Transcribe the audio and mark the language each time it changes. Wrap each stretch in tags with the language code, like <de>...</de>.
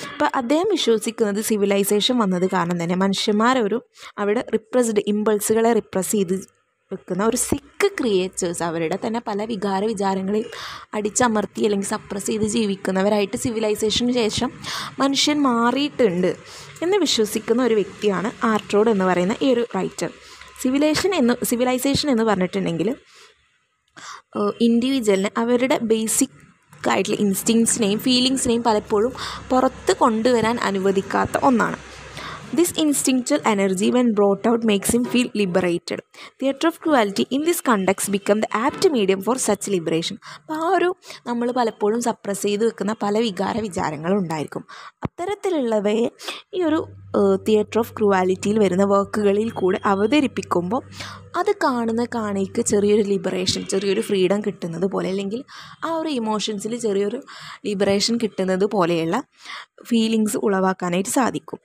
<ml>അപ്പോൾ അദ്ദേഹം വിശ്വസിക്കുന്നത് സിവിലൈസേഷൻ വന്നത് കാരണം തന്നെ മനുഷ്യന്മാരൊരു അവിടെ റിപ്രസ്ഡ് ഇമ്പൾസുകളെ റിപ്രസ് ചെയ്ത് വെക്കുന്ന ഒരു സിക്ക് ക്രിയേറ്റേഴ്സ്, അവരുടെ തന്നെ പല വികാര വിചാരങ്ങളെയും അടിച്ചമർത്തി അല്ലെങ്കിൽ സപ്രസ് ചെയ്ത് ജീവിക്കുന്നവരായിട്ട് സിവിലൈസേഷന് ശേഷം മനുഷ്യൻ മാറിയിട്ടുണ്ട് എന്ന് വിശ്വസിക്കുന്ന ഒരു വ്യക്തിയാണ് ആർട്രോഡ് എന്ന് പറയുന്ന ഈ ഒരു റൈറ്റർ. സിവിലൈസേഷൻ എന്ന് പറഞ്ഞിട്ടുണ്ടെങ്കിൽ ഇൻഡിവിജ്വലിന് അവരുടെ ബേസിക് ആയിട്ടുള്ള ഇൻസ്റ്റിങ്സിനെയും ഫീലിങ്സിനെയും പലപ്പോഴും പുറത്ത് കൊണ്ടുവരാൻ അനുവദിക്കാത്ത ഒന്നാണ്.</ml> <en>This instinctual energy when brought out makes him feel liberated. Theatre of Cruelty in this context become the apt medium for such liberation.</en> <ml>അപ്പം ആ ഒരു നമ്മൾ പലപ്പോഴും സപ്രസ് ചെയ്ത് വെക്കുന്ന പല വികാര വിചാരങ്ങളും ഉണ്ടായിരിക്കും, അത്തരത്തിലുള്ളവയെ ഈ ഒരു തിയേറ്റർ ഓഫ് ക്രൂവാലിറ്റിയിൽ വരുന്ന വർക്കുകളിൽ കൂടെ അവതരിപ്പിക്കുമ്പോൾ അത് കാണുന്ന കാണിക്ക് ചെറിയൊരു ലിബറേഷൻ, ചെറിയൊരു ഫ്രീഡം കിട്ടുന്നത് പോലെ, അല്ലെങ്കിൽ ആ ഒരു ഇമോഷൻസിൽ ചെറിയൊരു ലിബറേഷൻ കിട്ടുന്നത് പോലെയുള്ള ഫീലിങ്സ് ഉളവാക്കാനായിട്ട് സാധിക്കും.</ml>